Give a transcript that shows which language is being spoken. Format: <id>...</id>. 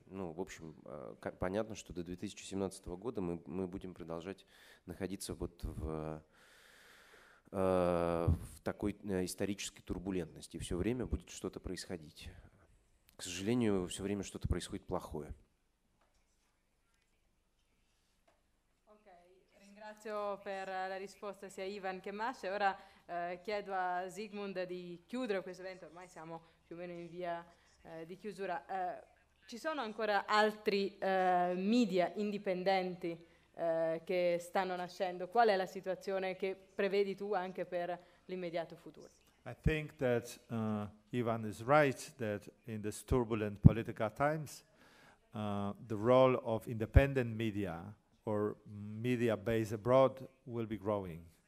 <ru>Ну, в общем, понятно, что до 2017 года мы будем продолжать находиться вот в такой исторической турбулентности. Все время будет что-то происходить. К сожалению, все время что-то происходит плохое.</ru> <en>Okay.</en> <it>Ringrazio per la risposta sia Ivan che Masha. Ora chiedo a Sigmund di chiudere questo evento. Ormai siamo più o meno in via di chiusura. Ci sono ancora altri media indipendenti che stanno nascendo? Qual è la situazione che prevedi tu anche per l'immediato futuro?</it> <en>I think that Ivan is right that in these turbulent political times the role of independent media or media based abroad will be growing.</en>